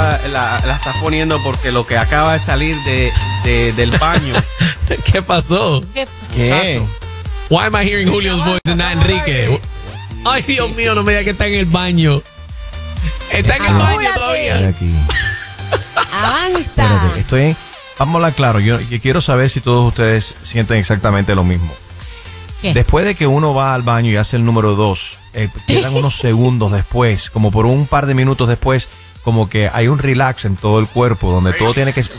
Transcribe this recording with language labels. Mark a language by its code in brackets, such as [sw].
[es] La está poniendo porque lo que acaba de salir del baño. ¿Qué pasó? ¿Qué? [en] Why am I hearing Julio's voice and not Enrique? [es] Ay, Dios mío, no me digas que está en el baño. Está en el baño todavía. ¡Avanza! Vamos a hablar claro. Yo quiero saber si todos ustedes sienten exactamente lo mismo. ¿Qué? Después de que uno va al baño y hace el número dos, quedan unos segundos después, como por un par de minutos después, como que hay un relax en todo el cuerpo donde todo tiene que ser.